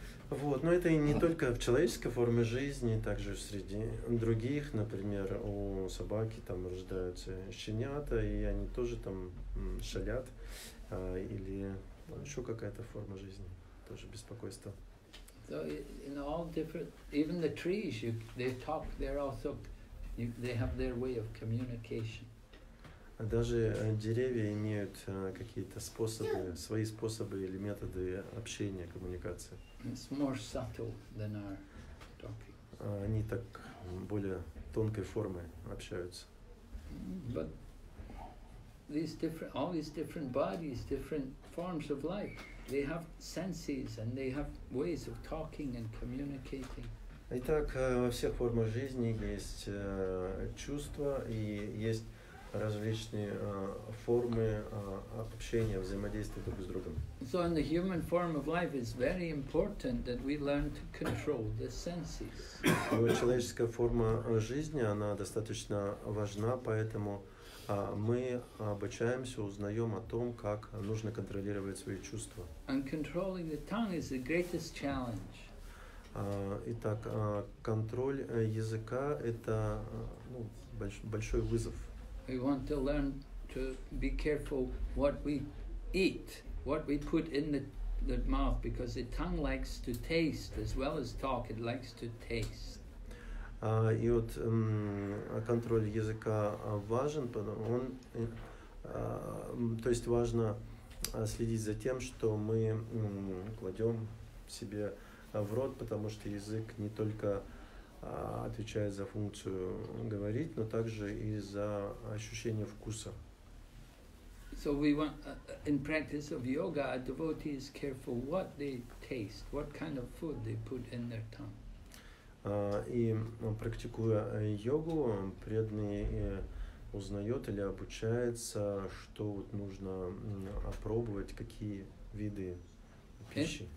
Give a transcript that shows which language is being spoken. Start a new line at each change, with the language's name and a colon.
Russian: Вот, но это и не только в человеческой форме жизни, также среди других, например, у собаки там рождаются щенята, и они тоже там шалят, или еще какая-то форма жизни, тоже беспокойство.
English: So in all different, even the trees, they talk, they're also, they have their way of communication.
Russian: Даже деревья имеют какие-то способы, свои способы или методы общения, коммуникации.
English: It's more subtle than our talking.
Russian: Они так более тонкой формы общаются.
English: But these different, all these different bodies, different forms of life, they have senses and they have ways of talking and communicating.
Russian: Итак, во всех формах жизни есть чувства и есть различные формы общения, взаимодействия друг с другом.
English: So in the human form of life it's very important that we learn to control the senses.
Russian: Человеческая форма жизни, она достаточно важна, поэтому мы обучаемся, узнаем о том, как нужно контролировать свои чувства.
English: And controlling the tongue is the greatest challenge.
Russian: Итак, контроль языка — это большой вызов.
English: We want to learn to be careful what we eat, what we put in the mouth, because the tongue likes to taste as well as talk, it likes to taste.
Russian: И вот контроль языка важен, то есть важно следить за тем, что мы кладем себе в рот, потому что язык не только отвечает за функцию говорить, но также и за ощущение вкуса.
English: So we want, in practice of yoga, a devotee is careful what they taste, what kind of food they put in their tongue.
Russian: И практикуя йогу, преданный узнает или обучается, что вот нужно опробовать, какие виды пищи.